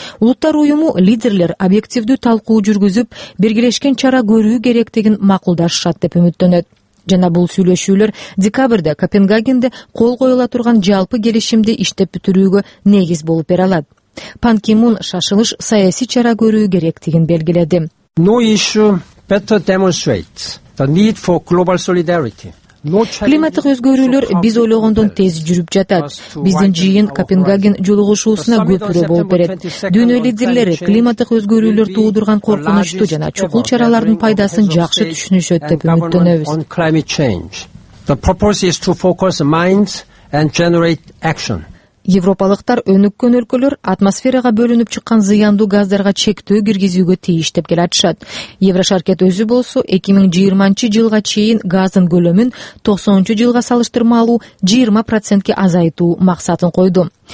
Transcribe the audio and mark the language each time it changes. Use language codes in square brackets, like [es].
[ky] Улуттар уюму лидерлер объективдүү талкуу жүргүзүп, биргелешкен чара көрүү керектигин макулдашышат деп үмүттөнөт. Жана бул сүйлөшүүлөр декабрда Копенгагенде кол коюла турган жалпы келишимди иштеп бүтүрүүгө негиз болуп бере алат. Пан Ки Мун шашылыш саясий чара көрүү керектигин белгиледи. [en] No issue better demonstrates the need for global solidarity. [ky] Климаттык өзгөрүүлөр биз ойлогондон тез жүрүп жатат. Биздин жыйын Копенгаген жолугушуусуна көпүрө болуп берет. Дүйнө лидерлери климаттык өзгөрүүлөр туудурган коркунучту жана чукул чаралардын пайдасын жакшы түшүнүшөт деп үмүттөнөбүз. [en] The purpose is to focus minds and generate action. [ky] Европалыктар өнүккөн өлкөлөр атмосферага бөлүнүп чыккан зыяндуу газдарга чектөө киргизүүгө тийиш деп келатышат. Еврошаркет өзү болсо 2020 жылга чейин газдын көлөмүн 90 жылга салыштырмалуу 20% азайтуу максатын койду.